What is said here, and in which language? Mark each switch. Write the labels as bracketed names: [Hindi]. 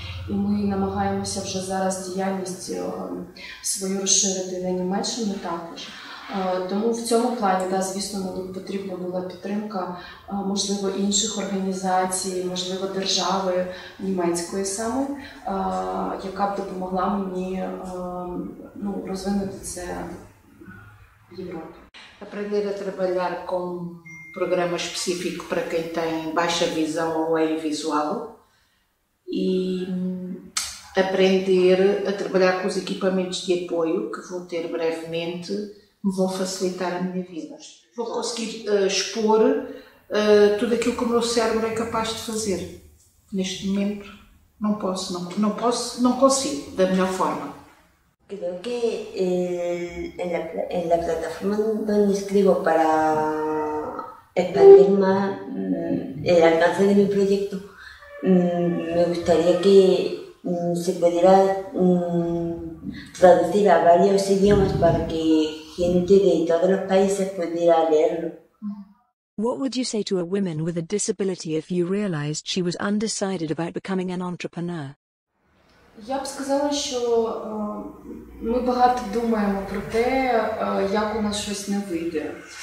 [Ukrainian] І ми намагаємося вже зараз діяльність свою розширити на Німеччині також. Тому в цьому плані, да, звісно, мені потрібна була підтримка, можливо, інших організацій, можливо, держави німецької саме, яка б допомогла мені розвинути це. [Portuguese] Aprender a trabalhar com um programa específico para quem tem baixa visão ou é invisual e aprender a trabalhar com os equipamentos de apoio que vou ter brevemente me vão facilitar a minha vida. Vou conseguir expor tudo aquilo que o meu cérebro é capaz de fazer. Neste momento não posso, não consigo, da melhor forma. [Spanish] Creo que en la plataforma donde escribo para expandir más el alcance de mi proyecto, me gustaría que se pudiera traducir a varios idiomas para que gente de todos los países pudiera leerlo. [English] What would you say to a woman with a disability if you realized she was undecided about becoming an entrepreneur? [Ukrainian] Я б сказала, що ми багато думаємо про те, як у нас щось не вийде.